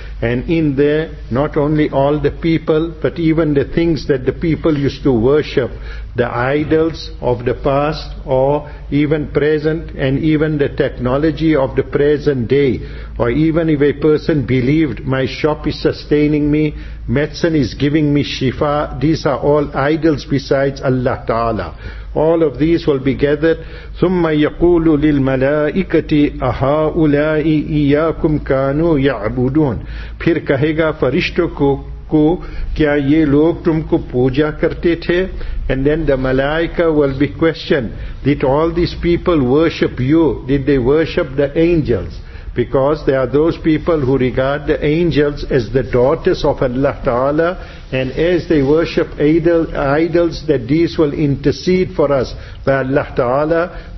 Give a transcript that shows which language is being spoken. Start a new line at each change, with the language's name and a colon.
English: And in there, not only all the people, but even the things that the people used to worship, the idols of the past or even present, and even the technology of the present day. Or even if a person believed, my shop is sustaining me, medicine is giving me shifa, these are all idols besides Allah Ta'ala. All of these will be gathered.
Arabic: ثُمَّ يَقُولُ لِلْمَلَائِكَةِ أَهَا أُولَاءِ إِيَّاكُمْ كَانُوا يَعْبُدُونَ,
Urdu: پھر کہے گا فرشتوں کو کیا یہ لوگ تم کو پوجا کرتے تھے.
English: And then the malaika will be questioned, did all these people worship you? Did they worship the angels? Because there are those people who regard the angels as the daughters of Allah Ta'ala, and as they worship idols, that these will intercede for us by Allah Ta'ala.